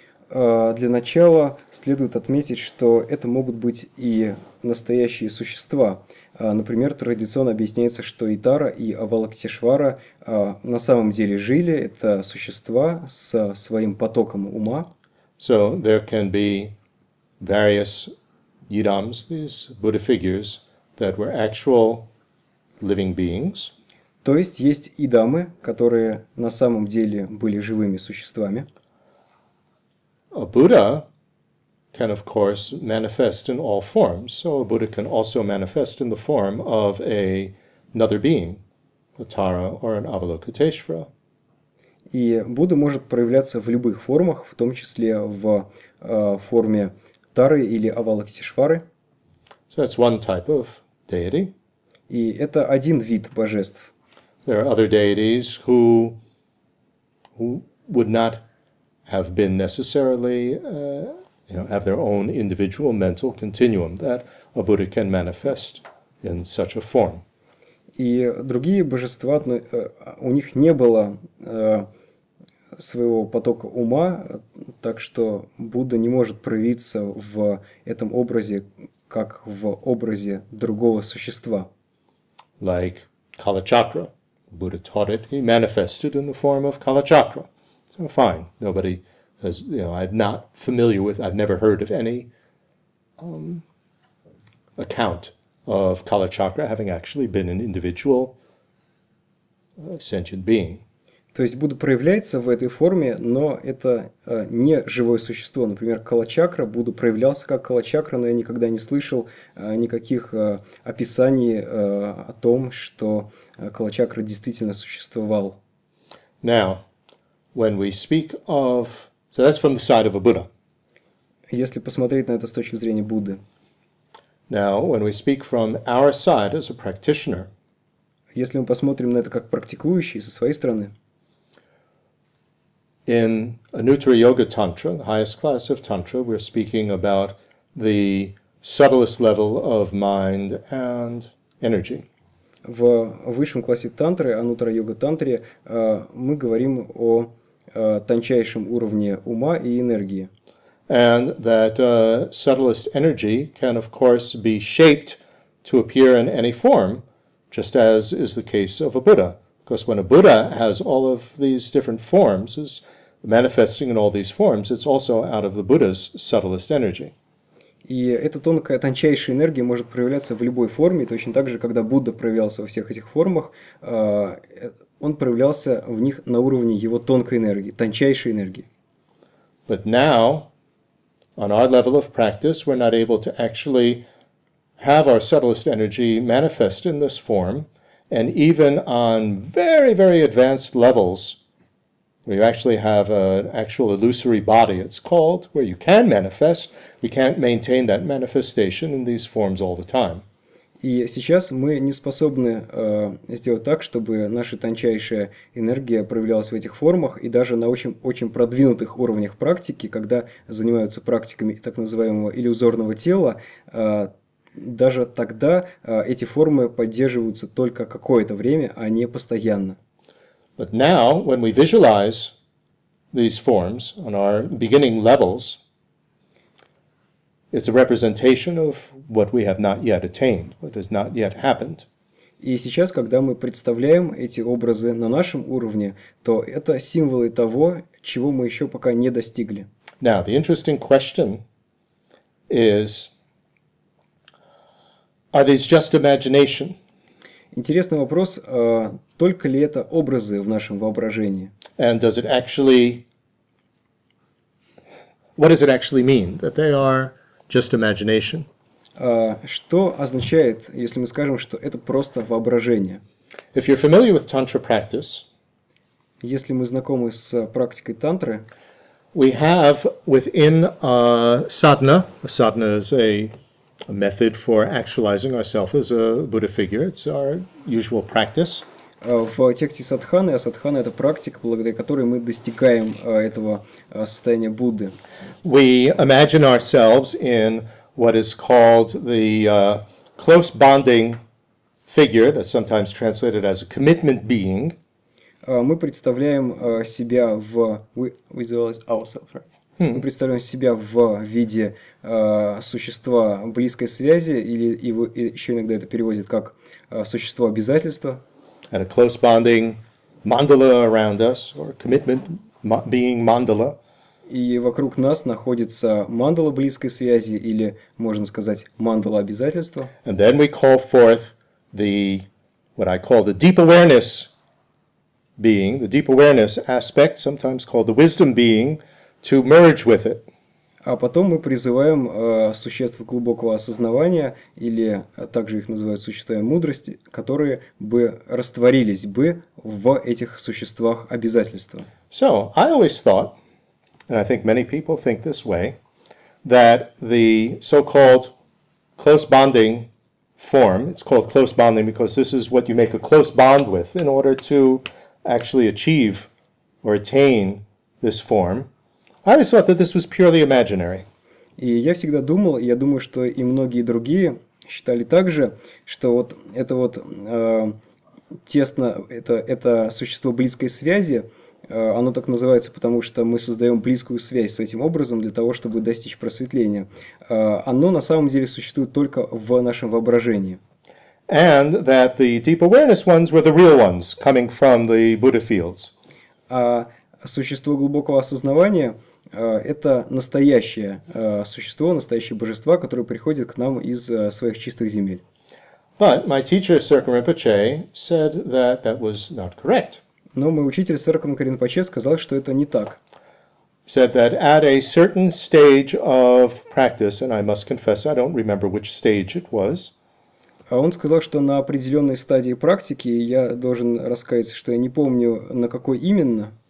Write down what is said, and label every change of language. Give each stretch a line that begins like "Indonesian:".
Russian: Для начала следует отметить, что это могут быть и настоящие существа. Например, традиционно объясняется, что и Тара, и Авалокитешвара на самом деле жили, это существа с своим потоком ума.
English: So there can be various yidams, these Buddha figures, that were actual living beings.
Russian: То есть есть идамы, которые на самом деле были живыми существами.
English: A Buddha can, of course, manifest in all forms. So a Buddha can also manifest in the form of another being, a Tara or an Avalokiteshvara.
Russian: И Будда может проявляться в любых формах, в том числе в форме Тары или Авалокитешвары.
English: So that's one type of deity.
Russian: И это один вид божеств.
English: There are other deities who would not have been necessarily, have their own individual mental continuum that a Buddha can manifest in such a form.
Russian: И другие божества, у них не было своего потока ума, так что Будда не может проявиться в этом образе, как в образе другого существа.
English: Like Kalachakra. Buddha taught it, he manifested in the form of Kalachakra. So fine, nobody has, I'm not familiar with, I've never heard of any account of Kalachakra having actually been an individual sentient being.
Russian: То есть Будда проявляется в этой форме, но это не живое существо. Например, Калачакра, Будда проявлялся как Калачакра, но я никогда не слышал никаких описаний о том, что Калачакра действительно существовал.
English: Now, when we speak of... So that's from the side of a Buddha.
Russian: Если посмотреть на это с точки зрения Будды.
English: Now, when we speak from our side as a practitioner...
Russian: Если мы посмотрим на это как практикующие со своей стороны...
English: In Anuttara Yoga Tantra, the highest class of Tantra, we're speaking about the subtlest level of mind and energy.
Russian: В высшем классе Тантры, Анутра Йога Тантре, мы говорим о тончайшем уровне ума и энергии.
English: And that subtlest energy can, of course, be shaped to appear in any form, just as is the case of a Buddha. Because when a Buddha has all of these different forms, is manifesting in all these forms, it's also out of the Buddha's subtlest energy.
Russian: И эта тонкая, тончайшая энергия может проявляться в любой форме, точно так же, когда Будда проявлялся во всех этих формах, он проявлялся в них на уровне его тонкой энергии, тончайшей энергии.
English: But now, on our level of practice, we're not able to actually have our subtlest energy manifest in this form. And even on very, very advanced levels, where you actually have an actual illusory body, it's called, where you can manifest. We can't maintain that manifestation in these forms all the time.
Russian: И сейчас мы не способны сделать так, чтобы наша тончайшая энергия проявлялась в этих формах, и даже на очень, очень продвинутых уровнях практики, когда занимаются практиками так называемого иллюзорного тела, даже тогда эти формы поддерживаются только какое-то время, а не постоянно.
English: But now, when we visualize these forms on our beginning levels, it's a representation of what we have not yet attained, what has not yet happened.
Russian: И сейчас, когда мы представляем эти образы на нашем уровне, то это символы того, чего мы еще пока не достигли.
English: Now, the interesting question is, are these just imagination?
Russian: Интересный вопрос, только ли это образы в нашем воображении?
English: And does it actually, what does it actually mean, that they are just imagination?
Russian: Что означает, если мы скажем, что это просто воображение?
English: If you're familiar with tantra practice,
Russian: если мы знакомы с практикой тантры,
English: we have within sadhana. Sadhana is a method for actualizing ourselves as a Buddha figure. It's our usual practice.
Russian: В тексте садханы, а садхана — это практика, благодаря которой мы достигаем этого состояния Будды.
English: We imagine ourselves in what is called the close bonding figure, that's sometimes translated as a commitment being.
Russian: Мы представляем себя в...
English: We visualize ourselves, right?
Russian: Мы представляем себя в виде существа близкой связи, или его, еще иногда это переводят как существо обязательства.
English: And a close bonding mandala around us, or commitment being mandala.
Russian: И вокруг нас находится мандала близкой связи, или, можно сказать, мандала обязательства.
English: And then we call forth the, what I call the deep awareness being, the deep awareness aspect, sometimes called the wisdom being, to merge with it.
Russian: А потом мы призываем существ глубокого осознавания, или также их называют существами мудрости, которые бы растворились бы в этих существах обязательства.
English: So, I always thought, and I think many people think this way, that the so-called close bonding form, it's called close bonding because this is what you make a close bond with in order to actually achieve or attain this form, I always thought that this was purely imaginary.
Russian: И я всегда думал, и я думаю, что и многие другие считали так же, что вот это вот тесно, это существо близкой связи, оно так называется, потому что мы создаем близкую связь с этим образом для того, чтобы достичь просветления. Оно на самом деле существует только в нашем воображении.
English: And that the deep awareness ones were the real ones coming from the Buddha fields.
Russian: А существо глубокого осознавания это настоящее существо, настоящее божество, которое приходит к нам из своих чистых земель.
English: But my teacher Sirkhan Rinpoche said that that was not correct.
Russian: Но мой учитель Сиркан Ринпоче сказал, что это не так.
English: Said that at a certain stage of practice, and I must confess, I don't remember which stage it was.
Russian: Он сказал, что на определенной стадии практики, я должен раскаяться, что я не помню, на какой именно.